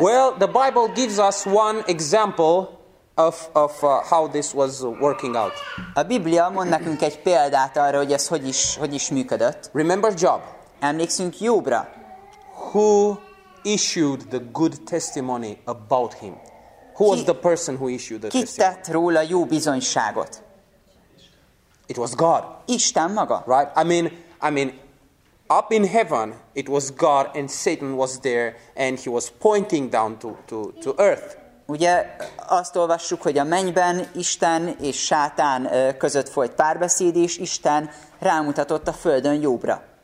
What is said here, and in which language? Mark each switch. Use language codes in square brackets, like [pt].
[en] Well, the Bible gives us one example of how this was working out. [hu] A Biblia mond nekünk egy példát arra, hogy ez hogy is működött. [en] Remember Job. [hu] Emlékszünk Jobra. [en] Who issued the good testimony about him? Who was the person who issued the testimony? [hu] Ki tett róla jó bizonyságot? [en] It was God. [hu] Isten maga. [en] Right? I mean, up in heaven, it was God and Satan was there and he was pointing down to earth. [hu] Ugye azt olvassuk, hogy a mennyben Isten és Sátán között folyt párbeszéd, és Isten rámutatott a földön Jobra.